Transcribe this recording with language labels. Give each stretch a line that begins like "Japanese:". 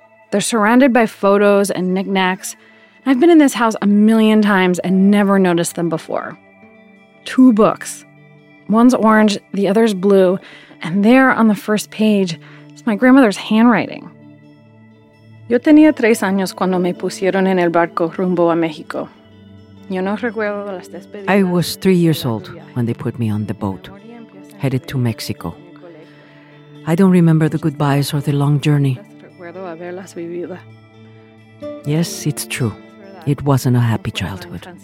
English: They're surrounded by photos and knickknacks. I've been in this house a million times and never noticed them before. Two books. One's orange, the other's blue, and there on the first page is my grandmother's handwriting.
Spanish: Yo tenía tres años cuando me pusieron en el barco rumbo a México. Yo no recuerdo las despedidas.
English: I was 3 years old when they put me on the boat, headed to Mexico. I don't remember the goodbyes or the long journey. Yes, it's true. It wasn't a happy childhood.